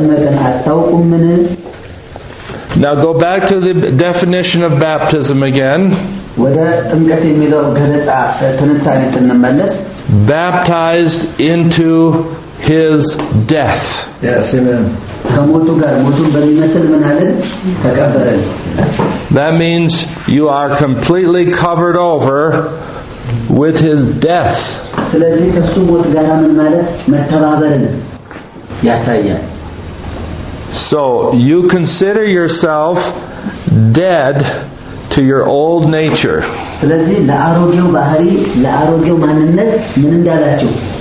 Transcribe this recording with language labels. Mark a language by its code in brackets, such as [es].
[en] Now go back to the definition of baptism again. Baptized into His death. Yes, amen. [am] ከሞቱ ጋር ሞቱን በሚመስል ምን አለ ተቀበረል [en] That means you are completely covered over with his death. [am] ስለዚህ ከሱ ሞት ጋር ምን ማለት መተባበርን ያሳያል [en] So you consider yourself dead to your old nature. [am] ስለዚህ ለአሮጌው ባህሪ ለአሮጌው ማንነት ምን እንዳላችሁ